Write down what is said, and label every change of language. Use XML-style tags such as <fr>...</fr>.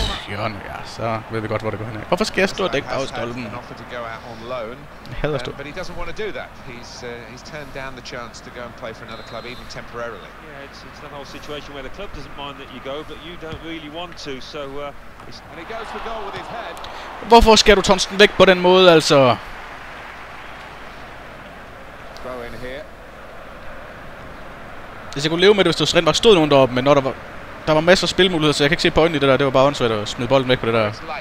<da>Jørgen, ja, så ved vi godt, hvor det går hen. Hvorfor skal jeg stå og dække bag stolpen? Jeg hader at stå.</da> <en>But he doesn't want to do that. He's turned down the chance to go and play for another club, even temporarily. Yeah, it's that whole situation where the club doesn't mind that you go, but you don't really want to. So, and he goes for goal with his head.</en> <da>Hvorfor skal du Thomsen væk på den måde, altså? Hvis jeg kunne leve med det, hvis der stod nogen deroppe, men når der var masser af spilmuligheder, så jeg kan ikke se pointen i det der. Det var bare åndssvært at smide bolden væk på det der.</da>